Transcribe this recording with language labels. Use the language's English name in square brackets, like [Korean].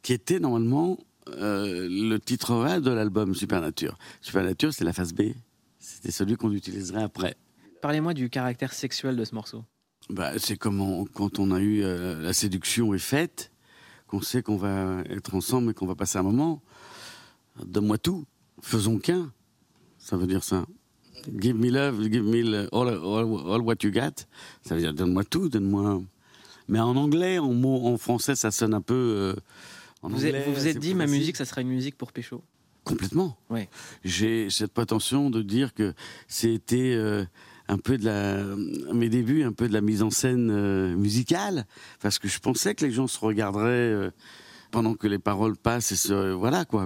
[French] Qui était normalement... le titre A de l'album Supernature. Supernature, c'est la face B. C'était celui qu'on utiliserait après. Parlez-moi du caractère sexuel de ce morceau. Bah, c'est comme quand on a eu la séduction est faite, qu'on sait qu'on va être ensemble et qu'on va passer un moment. Donne-moi tout, faisons qu'un. Ça veut dire ça. [English] Give me love, give me all what you got. [French] Ça veut dire donne-moi tout, donne-moi... Mais en anglais, en français, ça sonne un peu... Vous vous êtes dit, ma musique, ça serait une musique pour pécho. Complètement. Oui. J'ai cette prétention de dire que c'était un peu mes débuts, un peu de la mise en scène musicale, parce que je pensais que les gens se regarderaient pendant que les paroles passent et voilà quoi.